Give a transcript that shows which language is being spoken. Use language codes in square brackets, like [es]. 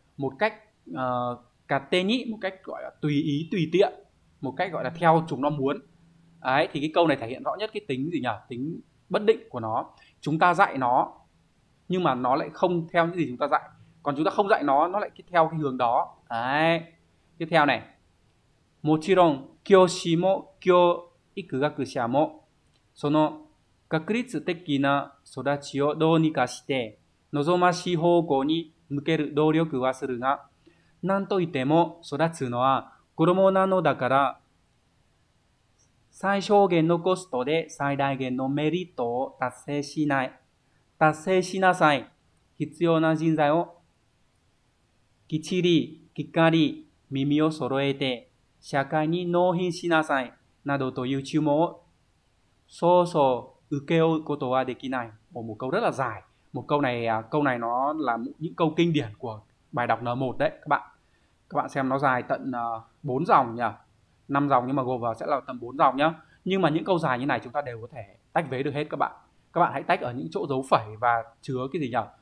[vi] Một cách cà tê nhĩ, một cách gọi là tùy ý, tùy tiện, một cách gọi là theo chúng nó muốn. Đấy, thì cái câu này thể hiện rõ nhất cái tính gì nhỉ? Tính bất định của nó. Chúng ta dạy nó, nhưng mà nó lại không theo những gì chúng ta dạy. Còn chúng ta không dạy nó lại theo cái hướng đó. Đấy. Tiếp theo này. [ja] Mochiron, kyoshi mo, kyo ikugakusha mo, その確率的な育ちをどうにかして望ましい方向に向ける努力はするが、なんといっても育つのは子供なのだから、最小限のコストで最大限のメリットを達成しない。達成しなさい。必要な人材をきっちり、きっかり、耳を揃えて、社会に納品しなさい。などという注文を、そうそう、請け負うことはできない。 [vi] もう、câu rất là dài. Một câu này nó là những câu kinh điển của bài đọc N1 đấy, các bạn. Các bạn xem nó dài tận 4 dòng nhỉ? 5 dòng nhưng mà gộp vào sẽ là tầm 4 dòng nhá. Nhưng mà những câu dài như này chúng ta đều có thể tách vế được hết các bạn. Các bạn hãy tách ở những chỗ dấu phẩy và chứa cái gì nhỉ?